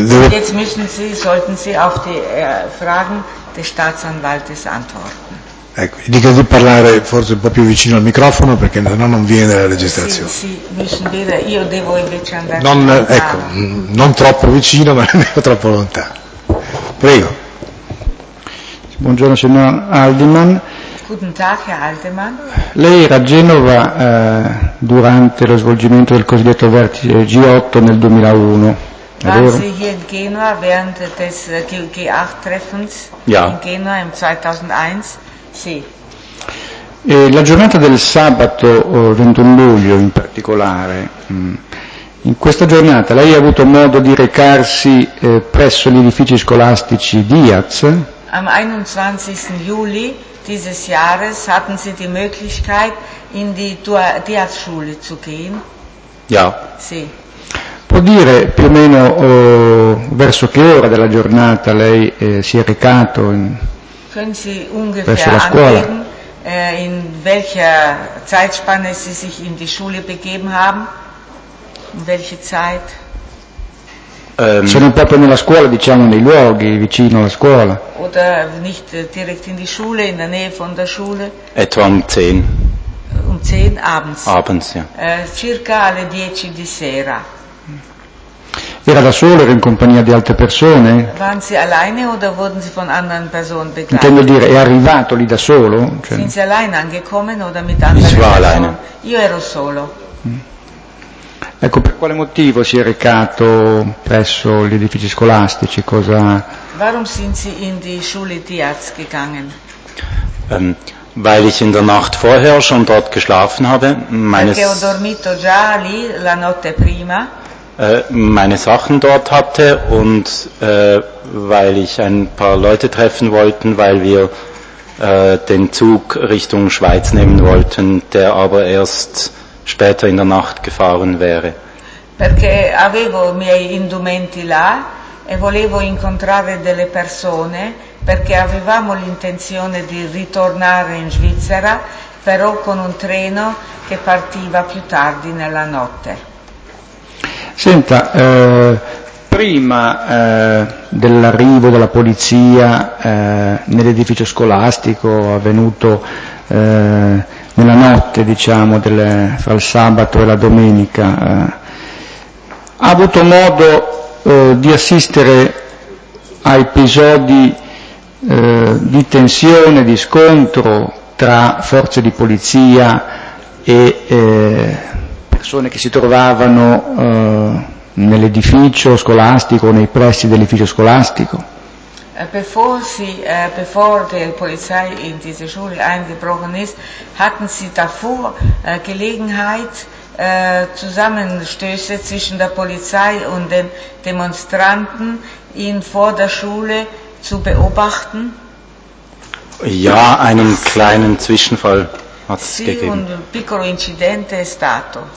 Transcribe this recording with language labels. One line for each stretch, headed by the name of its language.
German: Jetzt müssen Sie, sollten Sie auf die Fragen des Staatsanwaltes antworten.
Italian: Ecco, gli dico di parlare forse un po' più vicino al microfono perché sennò non viene la registrazione. Sì, io devo invece andare. Non, ecco, non troppo vicino, ma nemmeno troppo lontano. Prego. Buongiorno, signor Haldeman.
German: Guten Tag, Herr Haldeman.
Italian: Lei era a Genova durante lo svolgimento del cosiddetto vertice G8 nel 2001.
German: War sie hier in Genua während des G8-Treffens in Genua im 2001?
Italian: Sì. E la giornata del sabato 21 luglio in particolare, in questa giornata lei ha avuto modo di recarsi presso gli edifici scolastici Diaz?
German: Am 21. Juli dieses Jahres hatten Sie die Möglichkeit in die Diaz-Schule zu gehen? Ja.
Italian: Sì. Può dire più o meno verso che ora della giornata lei si è recato in
German: Können Sie ungefähr angeben, in welcher Zeitspanne Sie sich in die Schule begeben haben? In welche Zeit?
Italian: Sono proprio nella scuola, diciamo, nei luoghi vicino alla scuola.
German: Oder nicht direkt in die Schule, in der Nähe von der Schule? Etwa um 10. Um 10 abends? Abends, ja.
Italian: Circa alle 10 di sera. Era da solo, era in compagnia di altre persone?
German: Waren Sie alleine oder wurden Sie von anderen Personen begleitet?
Italian: Intendo dire, è arrivato lì da solo? Cioè...
German: Sind Sie alleine angekommen oder mit anderen Personen? Ich war alleine.
Italian: Io ero solo. Ecco, per quale motivo si è recato presso gli edifici scolastici? Cosa...
German: Warum sind Sie in die Schule Diaz gegangen? Weil ich in der Nacht vorher schon dort geschlafen habe. Meines...
Italian: Perché ho dormito già lì la notte prima.
German: Meine Sachen dort hatte und weil ich ein paar Leute treffen wollten, weil wir den Zug Richtung Schweiz nehmen wollten, der aber erst später in der Nacht gefahren wäre.
Italian: Perché avevo i miei indumenti là e volevo incontrare delle persone, perché avevamo l'intenzione di ritornare in Svizzera, però con un treno che partiva più tardi nella notte. Senta, prima dell'arrivo della polizia nell'edificio scolastico avvenuto nella notte, diciamo, fra il sabato e la domenica, ha avuto modo di assistere a episodi di tensione, di scontro tra forze di polizia e persone che si trovavano nell'edificio scolastico o nei pressi dell'edificio scolastico?
German: Bevor die Polizei in diese Schule eingebrochen ist, hatten Sie davor Gelegenheit, Zusammenstöße zwischen der Polizei und den Demonstranten in vor der Schule zu beobachten? Ja, einen kleinen Zwischenfall hat es gegeben.
Italian: Un piccolo incidente è stato.